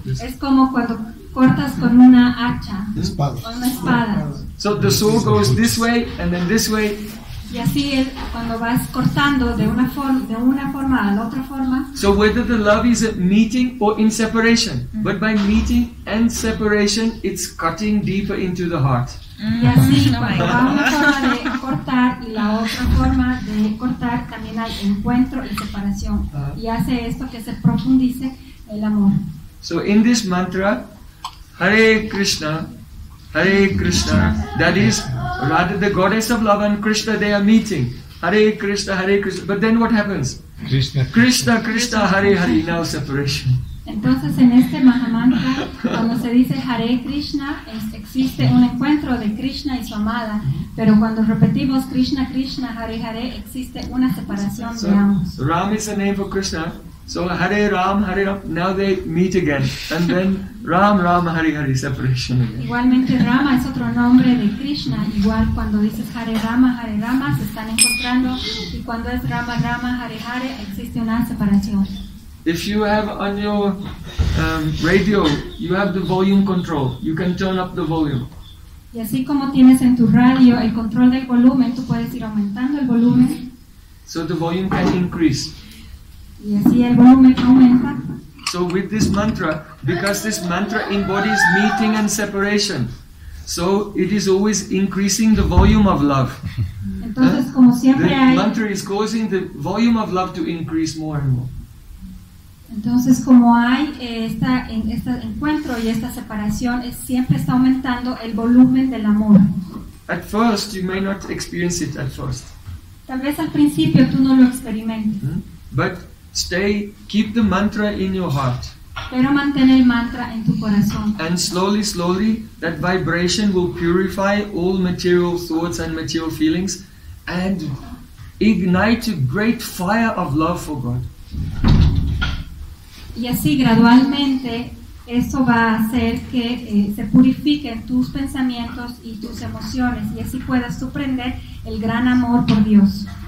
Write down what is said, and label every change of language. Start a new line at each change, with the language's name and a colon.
Spanish: Es como cuando cortas con una hacha, con una espada.
English: So the sword goes this way and then this way.
Spanish: Y así es cuando vas cortando de una forma a la otra forma.
English: So whether the love is at meeting or in separation, but by meeting and separation, it's cutting deeper into the heart.
Spanish: Y así va una forma de cortar y la otra forma de cortar también al encuentro y separación. Y hace esto que se profundice el amor.
English: So in this mantra, Hare Krishna. Hare Krishna, that is rather the goddess of love and Krishna, they are meeting. Hare Krishna, Hare Krishna. But then what happens? Krishna, Hare Hare, now separation.
Spanish: Entonces en este Mahamantra, cuando se dice Hare Krishna, existe un encuentro de Krishna y su amada. Pero cuando repetimos Krishna, Krishna, Hare Hare, existe una separación de ambos.
English: So, Ram is the name for Krishna. So Hare Ram, Hare Ram, now they meet again. And then Ram, Ram, Hare Hare, separation again.
Spanish: Igualmente Rama es otro nombre de Krishna. Igual cuando dices Hare Rama, se están encontrando. Y cuando es Rama, Rama, Hare Hare, existe una separación.
English: If you have on your radio, you have the volume control. You can turn up the volume.
Spanish: Y así como tienes en tu radio el control del volumen, tú puedes ir aumentando el volumen.
English: So the volume can increase.
Spanish: Y así el volumen aumenta.
English: So with this mantra, because this mantra embodies meeting and separation, so it is always increasing the volume of love.
Spanish: Entonces, como siempre
English: the mantra is causing the volume of love to increase more and more.
Spanish: Entonces, como hay este encuentro y esta separación, siempre está aumentando el volumen del amor.
English: At first, you may not experience it at first.
Spanish: Tal vez al principio tú no lo experimentes.
English: But keep the mantra in your heart.
Spanish: Pero mantén el mantra en tu corazón.
English: And slowly, slowly, that vibration will purify all material thoughts and material feelings and ignite a great fire of love for God.
Spanish: Y así gradualmente eso va a hacer que se purifiquen tus pensamientos y tus emociones y así puedas comprender el gran amor por Dios.